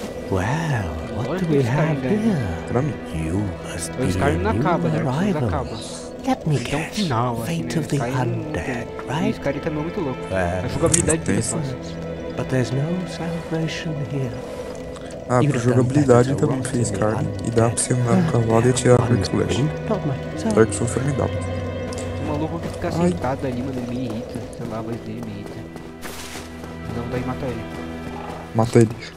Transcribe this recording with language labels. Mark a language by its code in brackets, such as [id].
[en] Well, what do we have here? [pt] Pra mim. O Skyrim não acaba, Dark Souls acaba. [en] Let me guess, Fate of the Undead, right? [pt] O Skyrim também é muito louco. A jogabilidade dele é fácil. [en] But there's no salvation here. [pt] Ah, pra jogabilidade também fiz Skyrim. E dá pra você andar no cavalo e atirar com o Flash. Dark Souls foi me dá. O maluco fica sentado ali, mano, ele me irrita. Sei lá, a voz dele me irrita. Não, daí mata ele. Mata ele.